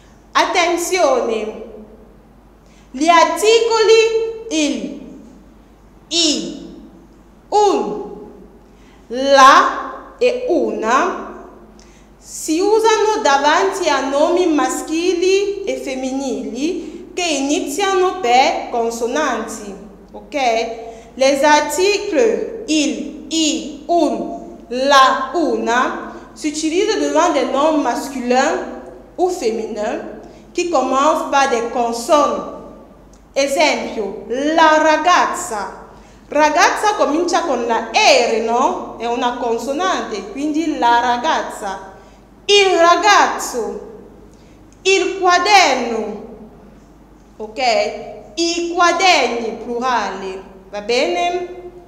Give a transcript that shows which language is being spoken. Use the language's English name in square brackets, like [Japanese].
[Italian] Attenzione! Gli articoli il, i, un, la e una si usano davanti a nomi maschili e femminili che iniziano per consonanti. Ok? [French] Les articles il, i, un, la, una s'utilisent devant des noms masculins ou féminins qui commencent par des consonnes. [Italian] Esempio, la ragazza. Ragazza comincia con la R, no? È una consonante, quindi la ragazza. Il ragazzo. Il quaderno. Ok? I quaderni, plurale, va bene?